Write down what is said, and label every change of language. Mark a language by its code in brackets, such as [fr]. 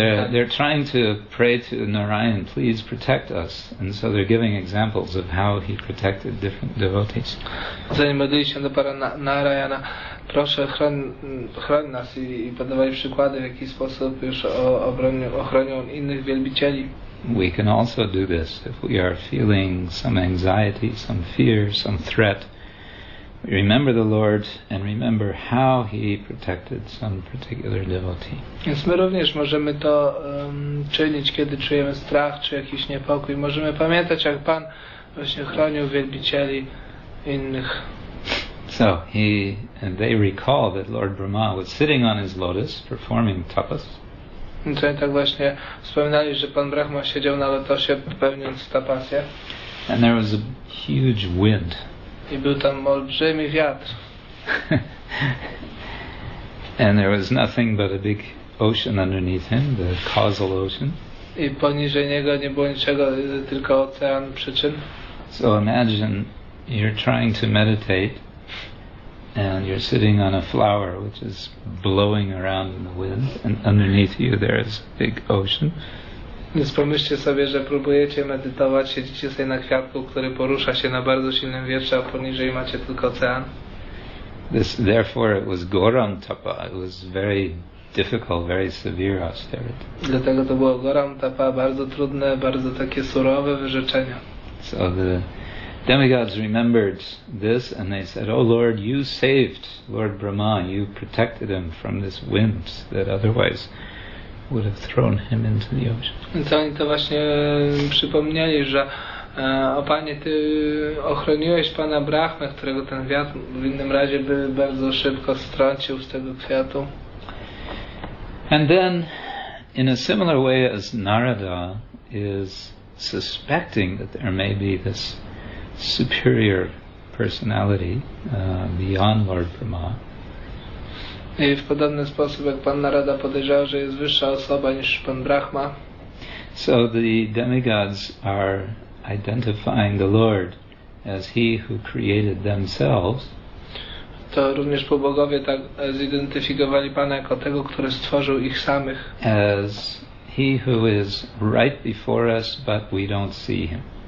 [en] They're trying to pray to Narayan, please protect us. And so they're giving examples of how he protected different devotees. [pl] Zanim modlili się do Pana Narayana, proszę chroń nas i podawali przykłady, w jaki sposób już ochronią innych wielbicieli. [en] We can also do this if we are feeling some anxiety, some fear, some threat. Remember the Lord and remember how he protected some particular devotee. [pl] Więc my również możemy to czynić, kiedy czujemy strach czy jakiś niepokój. Możemy pamiętać, jak Pan właśnie chronił wielbicieli innych. [en] So he and they recall that Lord Brahma was sitting on his lotus performing tapas. [pl] Więc oni tak właśnie wspominali, że Pan Brahma siedział na lotosie pełniąc tapasję. [en] And there was a huge wind. [pl] I był tam olbrzymi wiatr. [en] And there was nothing but a big ocean underneath him, the causal ocean. [pl] I poniżej niego nie było niczego, tylko ocean przyczyn. [en] So imagine you're trying to meditate and you're sitting on a flower which is blowing around in the wind, and underneath you there is a big ocean. [pl] Więc pomyślcie sobie, że próbujecie medytować, siedzicie sobie na kwiatku, który porusza się na bardzo silnym wietrze, a poniżej macie tylko ocean. [en] This, therefore it was Gauram Tapa. It was very difficult, very severe austerity. [pl] Dlatego to było Gauram Tapa, bardzo trudne, bardzo takie surowe wyrzeczenia. [en] So the demigods remembered this and they said, oh Lord, you saved Lord Brahma, you protected him from this wind that otherwise would have thrown him into the ocean. [pl] Co oni to właśnie przypomnieli, że o Panie, Ty ochroniłeś Pana Brahmę, którego ten wiatr w innym razie by bardzo szybko strącił z tego kwiatu. [en] And then, in a similar way as Narada is suspecting that there may be this superior personality beyond Lord Brahma, [pl] i w podobny sposób, jak Pan Narada podejrzewał, że jest wyższa osoba niż Pan Brahma. [en] So the demigods are identifying the Lord as he who created themselves. [pl] To również półbogowie tak zidentyfikowali Pana jako tego, który stworzył ich samych. [en] As he who is right before us, but we don't see him.